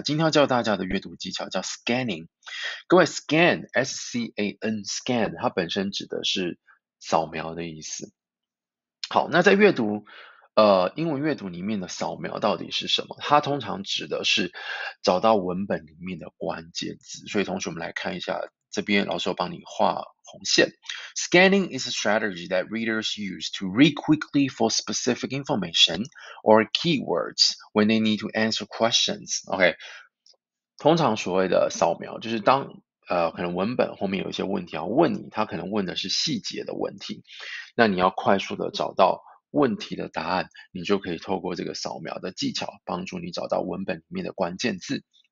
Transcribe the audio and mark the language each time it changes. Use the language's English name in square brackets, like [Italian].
[Chinese] 今天要教大家的阅读技巧叫 scanning。各位，scan，scan，它本身指的是扫描的意思。好，那在阅读，英文阅读里面的扫描到底是什么？它通常指的是找到文本里面的关键字。所以，同学们来看一下，这边老师有帮你画红线。 [English] Scanning is a strategy that readers use to read quickly for specific information or keywords when they need to answer questions. [Chinese] OK，通常所谓的扫描，就是当可能文本后面有一些问题要问你，他可能问的是细节的问题，那你要快速的找到问题的答案，你就可以透过这个扫描的技巧，帮助你找到文本里面的关键字。